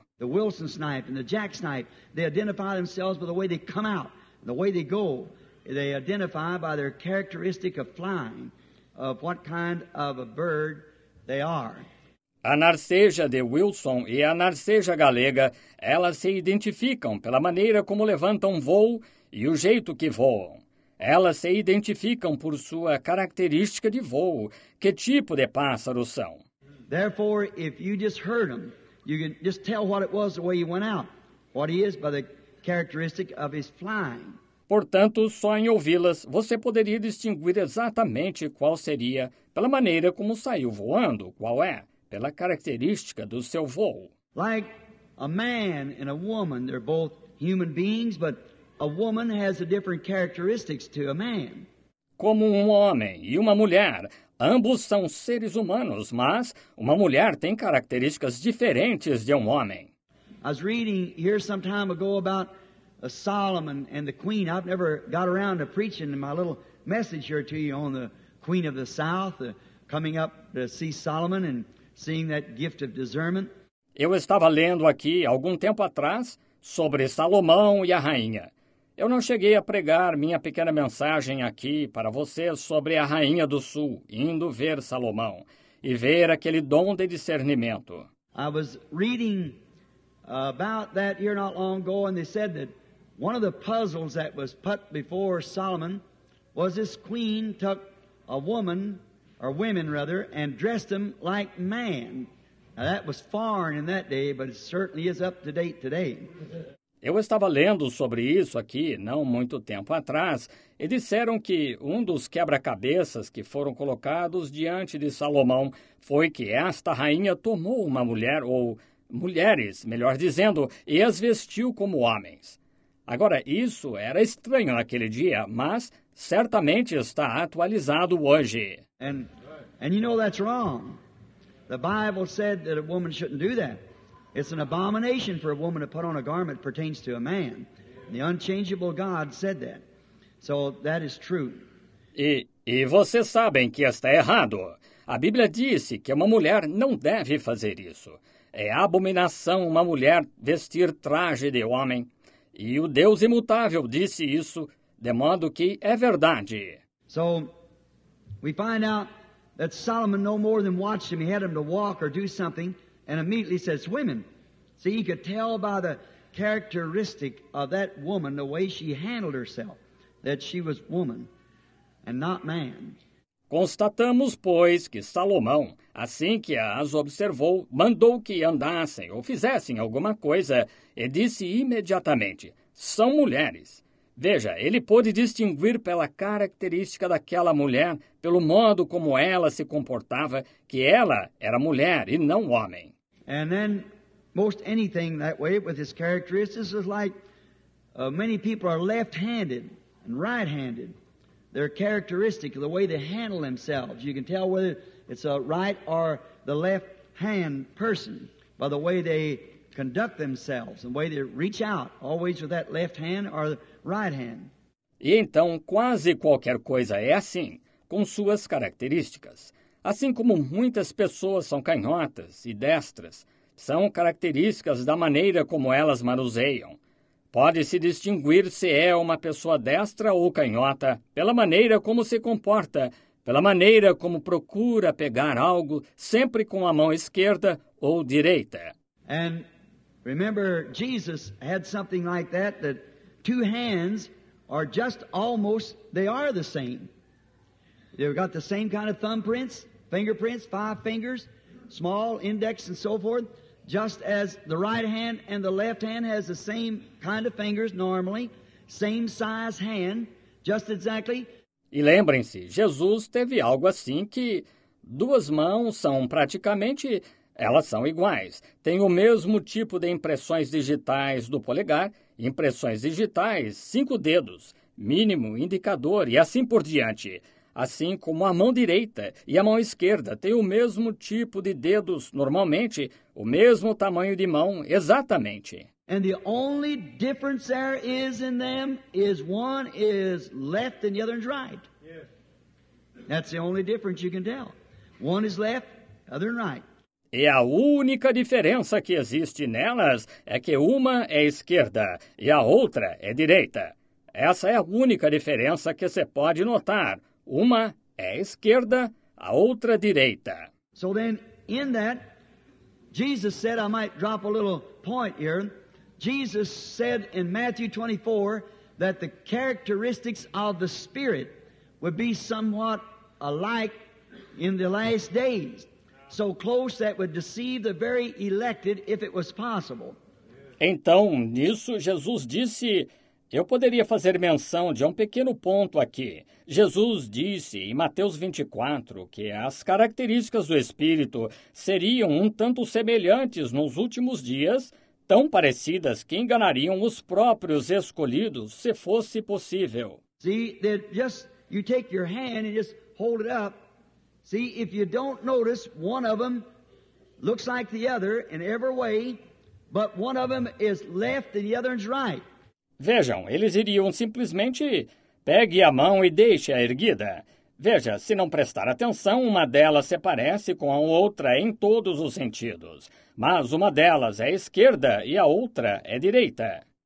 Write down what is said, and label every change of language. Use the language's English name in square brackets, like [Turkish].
[English] The Wilson's knife and the Jack's knife, they identify themselves by the way they come out, the way they go. They identify by their characteristic of flying, of what kind of a bird they are. [Portuguese] A narceja de Wilson e a narceja galega, elas se identificam pela maneira como levantam voo e o jeito que voam. Elas se identificam por sua característica de voo, que tipo de pássaro são. [English] Therefore, if you just heard him, you can just tell what it was the way he went out, what he is by the characteristic of his flying. [Portuguese] Portanto, só em ouvi-las, você poderia distinguir exatamente qual seria, pela maneira como saiu voando, qual é, pela característica do seu voo. [English] Like a man and a woman, they're both human beings, but a woman has a different characteristics to a man. [Portuguese] Como um homem e uma mulher, ambos são seres humanos, mas uma mulher tem características diferentes de um homem. [English] I was reading here some time ago about Solomon and the Queen. I've never got around to preaching my little message here to you on the Queen of the South, coming up to see Solomon and seeing that gift of discernment. [Portuguese] Eu estava lendo aqui algum tempo atrás sobre Salomão e a rainha. Eu não cheguei a pregar minha pequena mensagem aqui para vocês sobre a rainha do Sul indo ver Salomão e ver aquele dom de discernimento. [English] I was reading about that here not long ago, and they said that one of the puzzles that was put before Solomon was this queen took a woman, or women rather, and dressed them like man. Now that was foreign in that day, but it certainly is up to date today. [Portuguese] Eu estava lendo sobre isso aqui não muito tempo atrás, e disseram que um dos quebra-cabeças que foram colocados diante de Salomão foi que esta rainha tomou uma mulher ou mulheres, melhor dizendo, e as vestiu como homens. Agora, isso era estranho naquele dia, mas certamente está atualizado hoje. [English] And you know that's wrong. The Bible said that a woman shouldn't do that. It's an abomination for a woman to put on a garment that pertains to a man. The unchangeable God said that. So that is true. [Portuguese] E vocês sabem que está errado. A Bíblia disse que uma mulher não deve fazer isso. É abominação uma mulher vestir traje de homem. E o Deus imutável disse isso, de modo que é verdade. [English] So, we find out that Solomon no more than watched him. He had him to walk or do something, and immediately says, women. See, he could tell by the characteristic of that woman, the way she handled herself, that she was woman and not man. [Portuguese] Constatamos, pois, que Salomão, assim que as observou, mandou que andassem ou fizessem alguma coisa, e disse imediatamente, são mulheres. Veja, ele pôde distinguir pela característica daquela mulher, pelo modo como ela se comportava, que ela era mulher e não homem. [English] And then, most anything that way, with his characteristics, is like many people are left-handed and right-handed. their characteristic, the way they handle themselves. You can tell whether it's a right or the left hand person by the way they conduct themselves, the way they reach out, always with that left hand or the right hand. [Portuguese] E então, quase qualquer coisa é assim, com suas características. Assim como muitas pessoas são canhotas e destras, são características da maneira como elas manuseiam. Pode-se distinguir se é uma pessoa destra ou canhota pela maneira como se comporta, pela maneira como procura pegar algo, sempre com a mão esquerda ou direita. [English] And remember, Jesus had something like that, that two hands are just almost, they are the same. They've got the same kind of thumbprints, fingerprints, five fingers, small, index and so forth. Just as the right hand and the left hand has the same kind of fingers normally, same size hand, just exactly. [Portuguese] E lembrem-se, Jesus teve algo assim que duas mãos são praticamente, elas são iguais. Tem o mesmo tipo de impressões digitais do polegar, impressões digitais, cinco dedos, mínimo, indicador e assim por diante. Assim como a mão direita e a mão esquerda têm o mesmo tipo de dedos, normalmente, o mesmo tamanho de mão, exatamente. [English] And the only difference there is in them is one is left and the other is right. Yes. That's the only difference you can tell. One is left, other right. [Portuguese] E a única diferença que existe nelas é que uma é esquerda e a outra é direita. Essa é a única diferença que se pode notar. Uma é esquerda, a outra direita. [English] So then, in that, Jesus said, I might drop a little point here. Jesus said in Matthew 24 that the characteristics of the Spirit would be somewhat alike in the last days. So close that would deceive the very elected if it was possible. [Portuguese] Então, nisso, Jesus disse... Eu poderia fazer menção de um pequeno ponto aqui. Jesus disse em Mateus 24 que as características do Espírito seriam um tanto semelhantes nos últimos dias, tão parecidas que enganariam os próprios escolhidos, se fosse possível. [English] See, that just you take your hand and just hold it up. See, if you don't notice, one of them looks like the other in every way, but one of them is left and the other is right. [Portuguese] Vejam, eles iriam simplesmente, pegue a mão e deixe-a erguida. Veja, se não prestar atenção, uma delas se parece com a outra em todos os sentidos. Mas uma delas é esquerda e a outra é direita.